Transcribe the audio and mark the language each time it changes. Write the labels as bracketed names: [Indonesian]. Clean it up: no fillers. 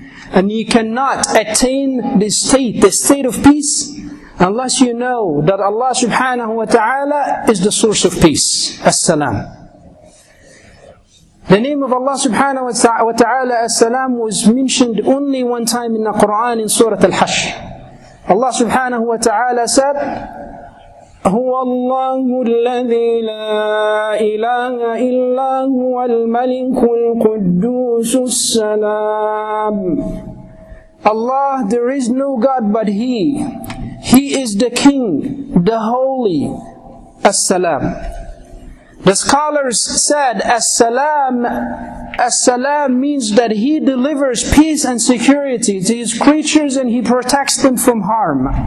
[English] And you cannot attain the state of peace, unless you know that Allah subhanahu wa ta'ala is the source of peace. As-Salam. The name of Allah subhanahu wa ta'ala, As-Salam, was mentioned only one time in the Qur'an in Surah Al-Hashr. [Arabic] Allah subhanahu wa ta'ala said, هُوَ اللَّهُ الَّذِي لَا إِلَهَ إِلَّا هُوَ الْمَلِكُ الْقُدُّوسُ السَّلَامُ. [English] Allah, there is no God but He. He is the King, the Holy, As-Salam. The scholars said, As-Salam means that He delivers peace and security to His creatures and He protects them from harm.